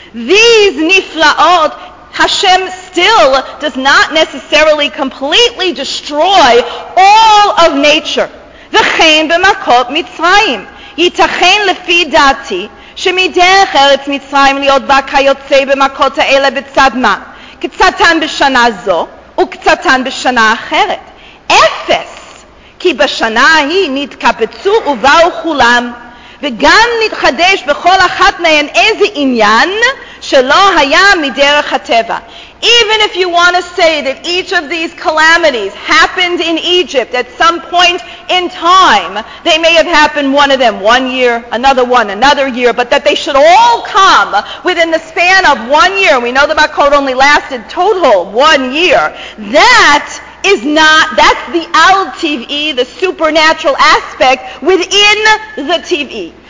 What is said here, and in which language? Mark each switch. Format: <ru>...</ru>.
<en>These niflaot, Hashem still does not necessarily completely destroy all of nature.</en> <he>V'chein b'makot Mitzrayim, yitachen lefi dati, shemidech eretz Mitzrayim liot v'kayotzei b'makot ha'ele b'tzadma, k'tzatan b'shana zo, וקצתן בשנה אחרת. אפס, כי בשנה ההיא נתקבצו ובאו כולם, וגם נתחדש בכל אחת מהן איזה עניין שלא היה מדרך הטבע.</he> <en>Even if you want to say that each of these calamities happened in Egypt at some point in time, they may have happened one of them one year, another one another year, but that they should all come within the span of one year, we know the Makot only lasted total one year, that's the al-TV, the supernatural aspect within the TV.</en>